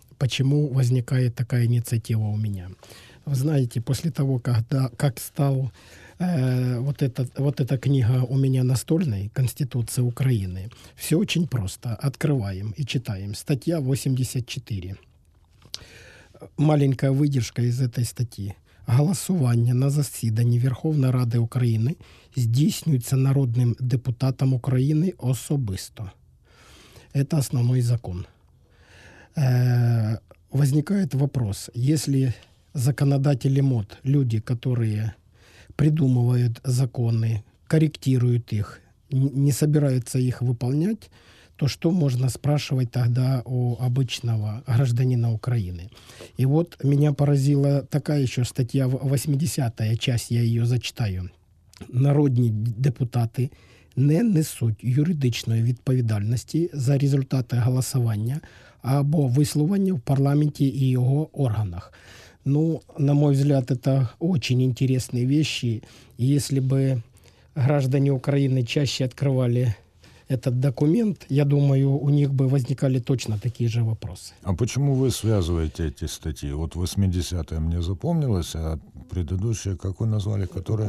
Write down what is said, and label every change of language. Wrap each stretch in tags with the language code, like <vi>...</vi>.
<ru>Почему возникает такая инициатива у меня? Вы знаете, после того, как стал вот эта книга у меня настольной, «Конституция Украины», все очень просто. Открываем и читаем. Статья 84. Маленькая выдержка из этой статьи.</ru> <uk>«Голосування на засіданні Верховної Ради України здійснюється народним депутатом України особисто». Це основний закон. Возникає вопрос, якщо законодателі МОД, люди, які придумують закони, коректують їх, не збираються їх виконувати,</uk> <ru>то что можно спрашивать тогда у обычного гражданина Украины? И вот меня поразила такая еще статья, 80-я часть, я ее зачитаю.</ru> <uk>«Народні депутати не несуть юридичної відповідальності за результати голосування або висловлення в парламенті і його органах».</uk> <ru>Ну, на мой взгляд, это очень интересные вещи. Если бы граждане Украины чаще открывали этот документ, я думаю, у них бы возникали точно такие же вопросы. А почему вы связываете эти статьи? Вот 80-я мне запомнилась, а предыдущая, как вы назвали, которая...</ru>